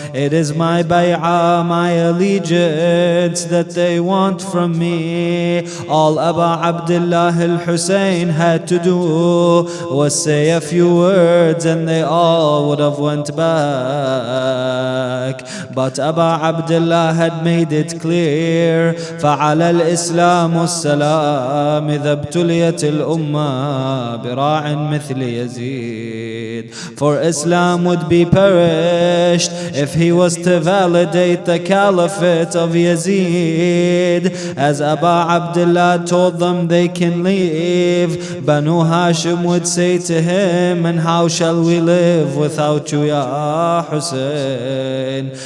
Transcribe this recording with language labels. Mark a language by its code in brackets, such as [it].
[en] It is my bay'ah, my allegiance that they want from me. All Aba Abdullah al-Hussein had to do was say a few words and they all would have went back. But Aba Abdullah had made it clear, [ar] فعلى الإسلام والسلام إذا ابتليت الأمة براع مثل يزيد. [en] For Islam would be perished if he was to validate the caliphate of Yazid. As Aba Abdullah told them they can leave, Banu Hashim would say to him, and how shall we live without you, Ya Hussein?